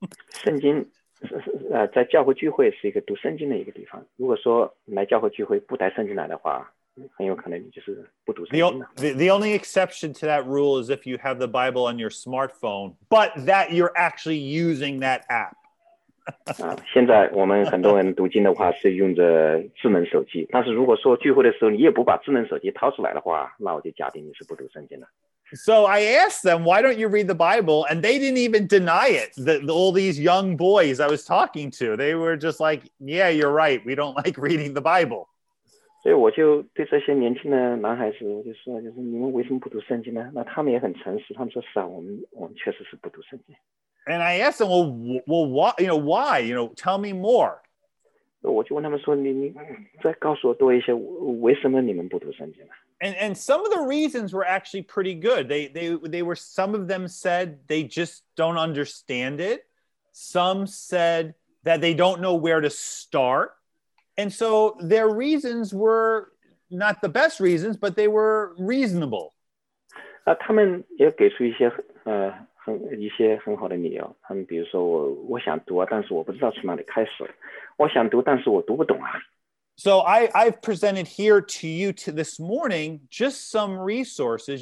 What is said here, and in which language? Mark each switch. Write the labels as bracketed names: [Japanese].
[Chinese] 圣经在教会聚会是一个读圣经的一个地方。如果说来教会聚会不带圣经来的话，很有可能你就是不读圣经了。 [English] The only exception to that rule is if you have the Bible on your smartphone, but that you're actually using that app. [Chinese] 现在我们很多人读经的话是用着智能手机，但是如果说聚会的时候你也不把智能手机掏出来的话，那我就假定你是不读圣经了。 [English] So I asked them, why don't you read the Bible? And they didn't even deny it. All these young boys I was talking to, they were just like, yeah, you're right. We don't like reading the Bible. So I just to these young boys, I said, why don't you read the Bible? And they were very honest. They said, yeah, we don't read the Bible. And I asked them, well, why? You know, why? You know, tell me more. So I asked them, why don't you read the Bible? And some of the reasons were actually pretty good. They were, some of them said they just don't understand it. Some said that they don't know where to start. And so their reasons were not the best reasons, but they were reasonable. [Chinese] 他们也给出一些很好的理由。他们比如说我想读啊，但是我不知道从哪里开始。我想读，但是我读不懂啊。 [English] So I've presented here to you this morning just some resources.